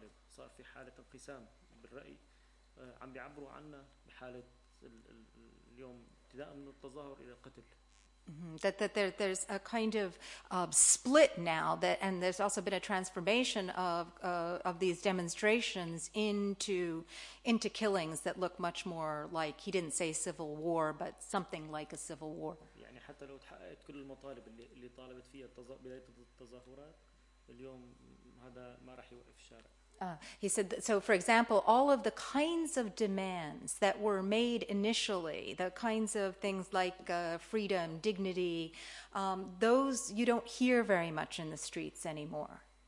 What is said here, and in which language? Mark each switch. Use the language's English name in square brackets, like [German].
[Arabic] صار في حالة انقسام بالرأي عم بيعبروا عنا بحالة اليوم ابتداء من التظاهر إلى القتل. [English] That there's a kind of split now, that and there's also been a transformation of these demonstrations into killings that look much more like, he didn't say civil war, but something like a civil war. [Arabic] يعني حتى لو تحققت كل المطالب اللي طالبت فيها بداية التظاهرات اليوم هذا ما راح يوقف الشارع. [English] He said, so for example, all of the kinds of demands that were made initially, the kinds of things like freedom, dignity, those you don't hear very much in the streets anymore.